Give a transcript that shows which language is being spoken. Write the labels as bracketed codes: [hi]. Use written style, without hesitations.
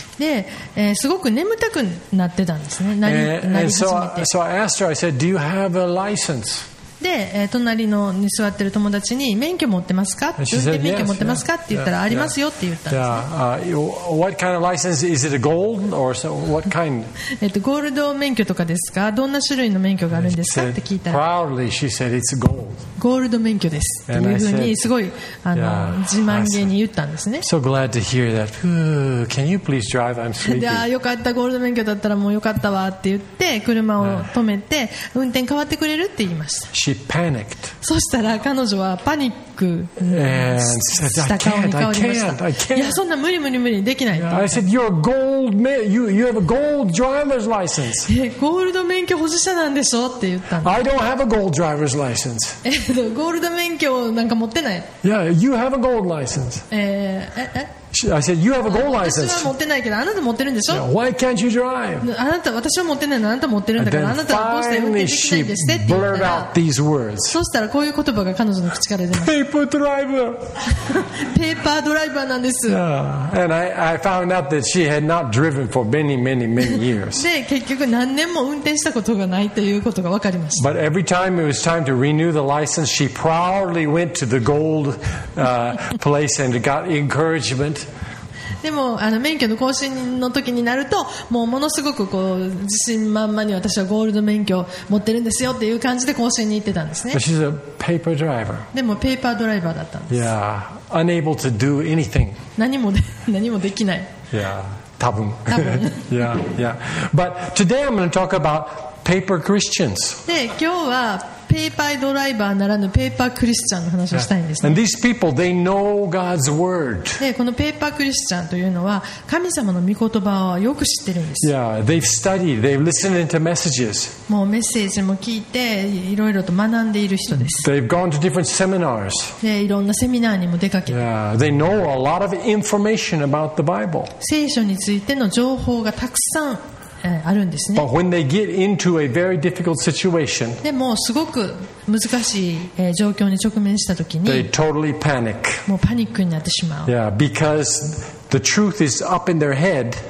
[ja] で、すごく眠たくなってたんですね。なり始めて。 [en] So I asked her. I said, "Do you have a license?" [ja] で、隣のに座ってる友達に免許持ってますか？運転免許持ってますか？って言ったらありますよって言ったんですね。 [en] What kind of license is it? A gold or so? What kind? [ja] ゴールド免許とかですか？どんな種類の免許があるんですか？って聞いたら、 [en] proudly she said, "It's gold." [ja] ゴールド免許ですというふうにすごい自慢げに言ったんですね。 [en] So glad to hear that. Can you please drive? I'm sleepy. [ja] ああよかった、ゴールド免許だったらもうよかったわって言って車を止めて運転変わってくれるって言いました。 [en] She panicked. [ja] そしたら彼女はパニックした顔に変わりました。いやそんな無理無理無理できない。 [en] I said you're a gold man. You have a gold driver's license. [ja] ゴールド免許保持者なんでしょって言ったんです。 [en] I don't have a gold driver's license. [ja] ゴールド免許なんか持ってない。 [en] Yeah, you have a gold license. I said, you have a gold license. [ja] 私は持ってないけどあなた持ってるんでしょ。 [en] Yeah, why can't you drive? [ja] あなた、私は持ってないのあなた持ってるんだからあなたはどうして運転できないんですねって言ったら、そうしたらこういう言葉が彼女の口から出ました。 [en] Paper driver. [ja] ペーパードライバーなんです。 [en] Yeah. And I found out that she had not driven for many, many, many years. [ja] で、結局何年も運転したことがないということが分かりました。 [en] But every time it was time to renew the license, she proudly went to the gold place and got encouragement. [ja] でも免許の更新の時になるともうものすごくこう自信満々に私はゴールド免許持ってるんですよっていう感じで更新に行ってたんですね。 [en] But she's a paper driver. [ja] でもペーパードライバーだったんです。 [en] Yeah. Unable to do anything. [ja] 何もできない。 Yeah. 多分。多分。 [en] Yeah. Yeah. But today I'm going to talk about paper Christians. [ja] で今日はペーパードライバーならぬペーパークリスチャンの話をしたいんですね。 [en] And these people, they know God's word. [ja] でこのペーパークリスチャンというのは神様の御言葉をよく知ってるんです。 [en] Yeah, they've studied, they've listened to messages. [ja] もうメッセージも聞いていろいろと学んでいる人です。 [en] They've gone to different seminars. [ja] でいろんなセミナーにも出かけて、 [en] Yeah, they know a lot of information about the Bible. [ja] 聖書についての情報がたくさんあるんですね。 [en] But when they get into a very difficult situation, [ja] でもすごく難しい状況に直面したときに [en] they totally panic. [ja] もうパニックになってしまう。 [en] Yeah, because the truth is up in their head.